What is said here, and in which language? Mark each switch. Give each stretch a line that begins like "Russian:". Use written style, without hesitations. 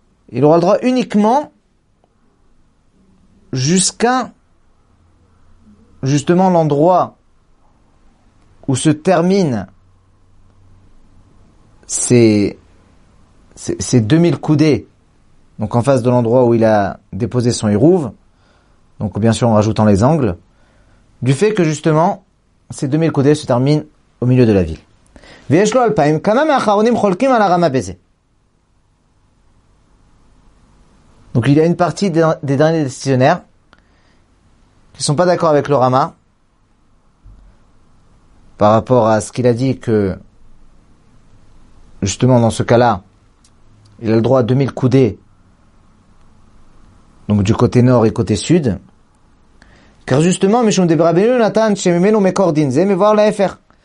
French: Il aura le droit uniquement jusqu'à justement l'endroit où se terminent ces 2000 coudées, donc en face de l'endroit où il a déposé son hirouv, donc bien sûr en rajoutant les angles, du fait que justement ces 2000 coudées se terminent au milieu de la ville.
Hebrew: ויש לו אלפיים, כמה מהאחרונים חולקים על הרמה בזה?
French: Donc il y a une partie des derniers décisionnaires qui ne sont pas d'accord avec le Rama par rapport à ce qu'il a dit que justement dans ce cas-là il a le droit à 2000 coudées donc du côté nord et côté sud car justement
Hebrew: משום דבר רבנו נתן שממנו מקור דין זה מבואר להפך.